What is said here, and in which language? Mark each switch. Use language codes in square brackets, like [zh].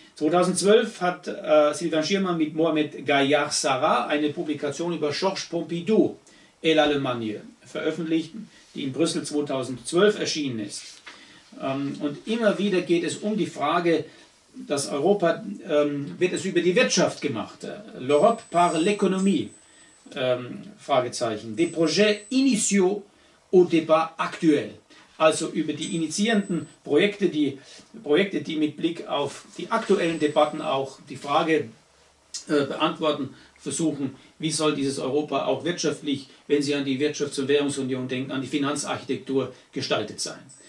[de] 2012 hat Sylvain Schirmann mit Mohamed Gaillard-Sarah eine Publikation über Georges Pompidou et l'Allemagne veröffentlicht, die in Brüssel 2012 erschienen ist. Und immer wieder geht es um die Frage, dass Europa, wird es über die Wirtschaft gemacht? [fr] L'Europe par l'économie? [de] Fragezeichen. [fr] Des projets initiaux au débat actuel. [de] Also über die initiierenden Projekte, die mit Blick auf die aktuellen Debatten auch die Frage beantworten, versuchen, wie soll dieses Europa auch wirtschaftlich, wenn Sie an die Wirtschafts- und Währungsunion denken, an die Finanzarchitektur gestaltet sein.